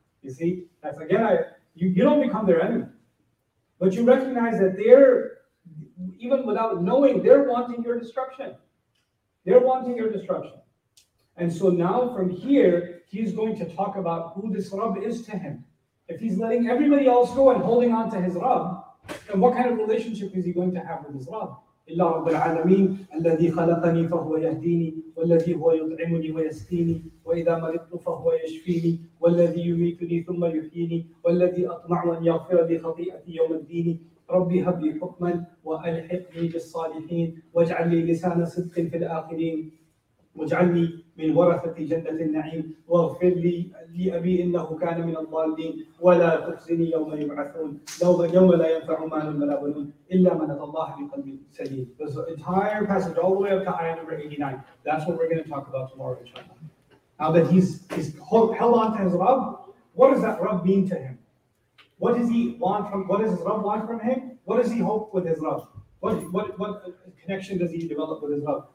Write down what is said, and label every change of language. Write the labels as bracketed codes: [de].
[en] You see, that's again, you don't become their enemy. But you recognize that they're, even without knowing, they're wanting your destruction. They're wanting your destruction. And so now from here, he's going to talk about who this Rabb is to him. If he's letting everybody else go and holding on to his Rabb, then what kind of relationship is he going to have with his Rabb? [ar] إلا رب العالمين الذي خلقني فهو يهديني والذي هو يطعمني ويسقيني وإذا مرضت فهو يشفيني والذي يميتني ثم يحييني والذي أطمع أن يغفر لي خطيئتي يوم الدين ربي هب لي حكما وألحقني بالصالحين واجعل لي لسان صدق في الآخرين واجعلني من ورثة جنة النعيم واغفر لي أبي إنه كان من الضالين ولا تخزني يوم يبعثون يوم لا ينفع مال ولا بنون إلا من أتى الله بقلب سليم. [en] This entire passage all the way up to ayah number 89. That's what we're going to talk about tomorrow, inshallah. Now that he's held on to his Rabb, what does that Rabb mean to him? What does he want from? What does his Rabb want from him? What does he hope with his Rabb? What connection does he develop with his Rabb?